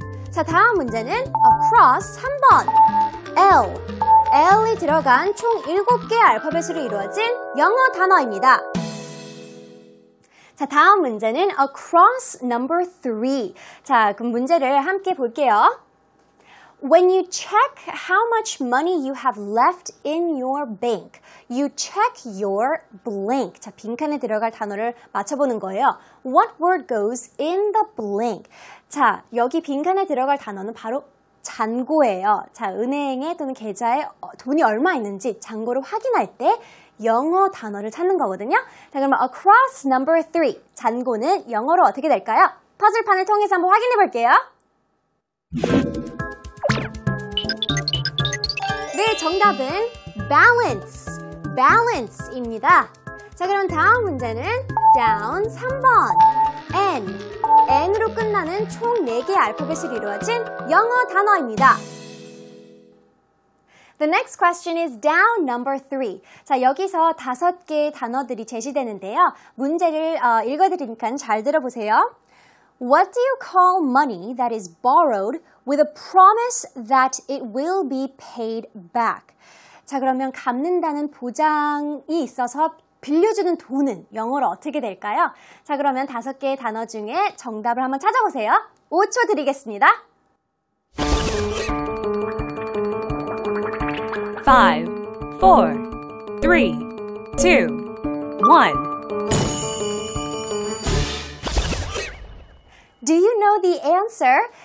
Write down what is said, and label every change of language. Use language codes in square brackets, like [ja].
[ko] 자, 다음 문제는 across 3번. L. L이 들어간 총 7개의 알파벳으로 이루어진 영어 단어입니다. 자, 다음 문제는 [en] across number 3. [ko] 자, 그럼 문제를 함께 볼게요. [en] When you check how much money you have left in your bank, you check your blank. [ko] 자, 빈칸에 들어갈 단어를 맞춰보는 거예요. [en] What word goes in the blank? [ko] 자, 여기 빈칸에 들어갈 단어는 바로 잔고예요. 자, 은행에 또는 계좌에 돈이 얼마 있는지 잔고를 확인할 때 영어 단어를 찾는 거거든요. 자, 그러면 [en] across number 3. [ko] 잔고는 영어로 어떻게 될까요? 퍼즐판을 통해서 한번 확인해 볼게요. 네, 정답은 balance, balance입니다. 자, 그럼 다음 문제는 down 3번, N. N으로 끝나는 총 4개의 알파벳을 이루어진 영어 단어입니다. [en] The next question is down number 3. [ko] 자, 여기서 5개의 단어들이 제시되는데요. 문제를 읽어드리니까 잘 들어보세요. [en] What do you call money that is borrowed with a promise that it will be paid back? [ko] 자, 그러면 갚는다는 보장이 있어서 빌려주는 돈은 영어로 어떻게 될까요? 자, 그러면 5개의 단어 중에 정답을 한번 찾아보세요. 5초 드리겠습니다. 5, 4, 3, 2, 1 [en] Do you know the answer?